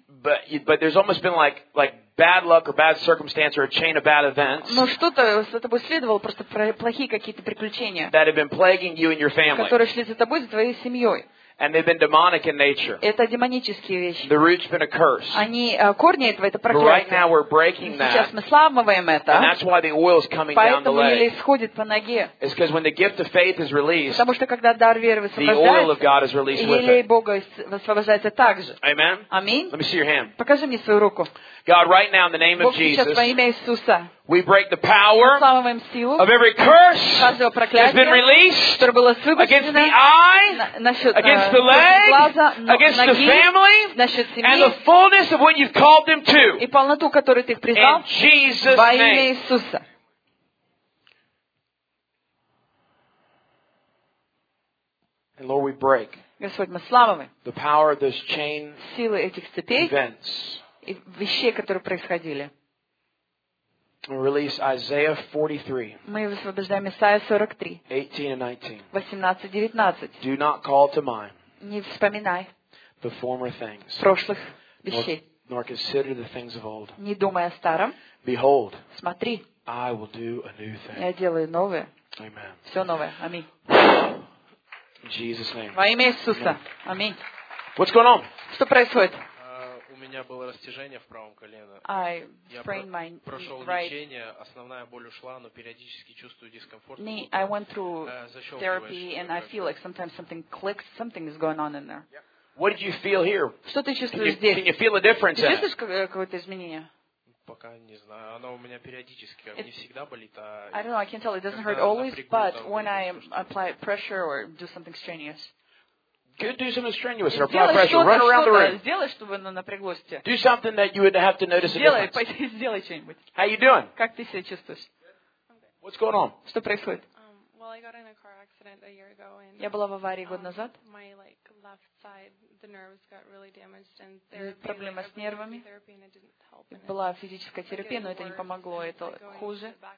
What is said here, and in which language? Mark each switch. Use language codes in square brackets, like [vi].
[en] But there's almost been like bad luck or bad circumstance or a chain of bad events. [ru] Но что-то за тобой следовало, просто плохие какие-то приключения. [en] That have been plaguing you and your family. [ru] Которые шли за тобой, за твоей семьей. [en] And they've been demonic in nature. [ru] Это демонические вещи. [en] The root's been a curse. [ru] Они корни этого это проклятие. [en] But right now we're breaking that. [ru] Сейчас мы сламываем это. [en] And that's why the oil is coming down the leg. [ru] Поэтому еле исходит по ноге. [en] It's because when the gift of faith is released. [ru] Потому что когда дар веры высвобождается. [en] The oil of God is released with it. [ru] Еле Бога высвобождается также. [en] Amen. [ru] Аминь. [en] Let me see your hand. [ru] Покажи мне свою руку. [en] God, right now in the name of Jesus. [ru] Во имя Иисуса. [en] We break the power of every curse that's been released against the eye, against the leg, against the family, and the fullness of what you've called them to. In Jesus' name. And Lord, we break the power of those chain events, [ru] вещей, которые происходили. [en] We release Isaiah 43. [ru] Мы высвобождаем Исаия 43. [en] 18-19. Do not call to mind. [ru] Не вспоминай. [en] The former things. [ru] Прошлых вещей. [en] Nor consider the things of old. [ru] Не думай о старом. [en] Behold. [ru] Смотри. [en] I will do a new thing. [ru] Я делаю новое. [en] Amen. [ru] Все новое. Аминь. [en] In Jesus' name. [ru] Во имя Иисуса. Аминь. [en] What's going on? [ru] Что происходит? У меня было растяжение в правом колене. [en] I sprained my right. [ru] Я прошел лечение, основная боль ушла, но периодически чувствую дискомфорт. [en] Knee, I went through therapy and I feel like sometimes something clicks, something is going on in there. What did you feel here? [ru] Что ты чувствуешь здесь? [en] Can you feel a difference? [ru] Ты чувствуешь какое-то изменение? Пока не знаю. Оно у меня периодически, как не всегда болит, а [en] I don't know, I can't tell, it doesn't hurt always, but when I apply pressure or do something strenuous. Could do something strenuous or apply pressure, run around the room. [ru] Сделай что-то, чтобы оно напряглось тебя. [en] Do something that you would have to notice a difference. [ru] Сделай, пойди, сделай что-нибудь. [en] How you doing? [ru] Как ты себя чувствуешь? [en] What's going on? [ru] Что происходит? [en] Well, I got in a car accident a year ago, and [ru] я была в аварии год назад. [en] My like left side, the nerves got really damaged, and [ru] проблема с нервами. Была физическая терапия, но это не помогло, это хуже.